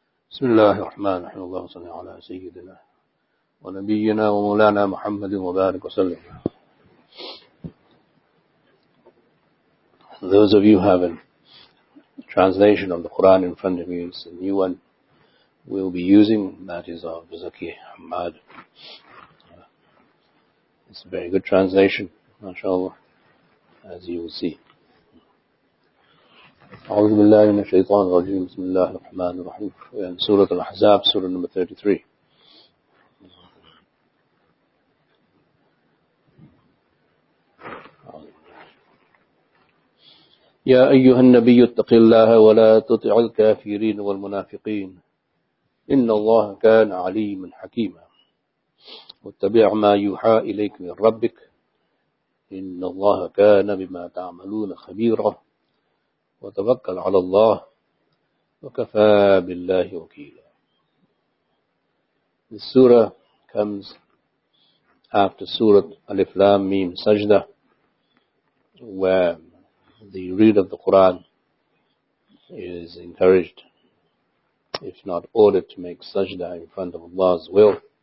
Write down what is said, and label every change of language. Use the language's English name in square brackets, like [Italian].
[Arabic] بسم الله الرحمن الرحيم اللهم صل على سيدنا ونبينا ومولانا محمد وبارك وسلم. [English] Those of you having a translation of the Quran in front of you, it's a new one we'll be using, that is of Zaki Ahmad. It's a very good translation, mashallah, as you will see. [Arabic] أعوذ بالله من الشيطان الرجيم بسم الله الرحمن الرحيم سورة الأحزاب سورة نمبر 33 يا أيها النبي اتق الله ولا تطع الكافرين والمنافقين إن الله كان عليما حكيما واتبع ما يوحى إليك من ربك إن الله كان بما تعملون خبيرا وتوكل على الله وكفى بالله وكيلا. [English] This surah comes after Surah Alif Lam Mim Sajdah, where the read of the Quran is encouraged, if not ordered, to make sajdah in front of Allah's will.